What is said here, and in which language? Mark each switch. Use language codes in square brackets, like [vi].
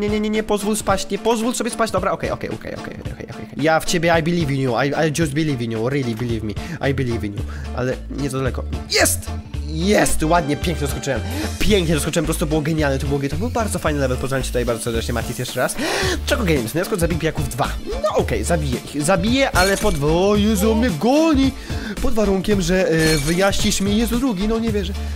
[pl] Nie, pozwól spaść, nie pozwól sobie spaść, dobra, okej. Ja w ciebie, [en] I believe in you, I just believe in you, really believe me, I believe in you. [pl] Ale nie za daleko. Jest! Ładnie, pięknie doskoczyłem, po prostu było genialne, to był bardzo fajny level, pozdrawiam cię tutaj bardzo serdecznie, Matis, jeszcze raz. Choco Games, na przykład zabij pijaków 2. No okej, zabiję, ale pod... O Jezu, mnie goni! Pod warunkiem, że wyjaśnisz mi, Jezu drugi, no nie wierzę.